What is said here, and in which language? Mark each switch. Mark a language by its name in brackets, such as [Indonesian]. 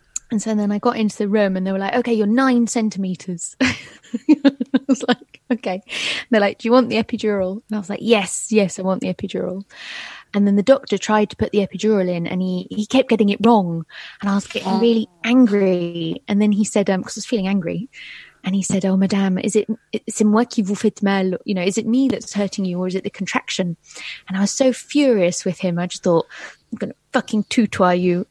[English] And so then I got into the room and they were like, okay, you're 9 centimeters. I was like, okay. And they're like, do you want the epidural? And I was like, yes, I want the epidural. And then the doctor tried to put the epidural in and he kept getting it wrong. And I was getting really angry. And then he said, because I was feeling angry. And he said, oh, madame, is it, [French] c'est moi qui vous faites mal? [English] You know, is it me that's hurting you or is it the contraction? And I was so furious with him. I just thought, I'm going to fucking tutoi you.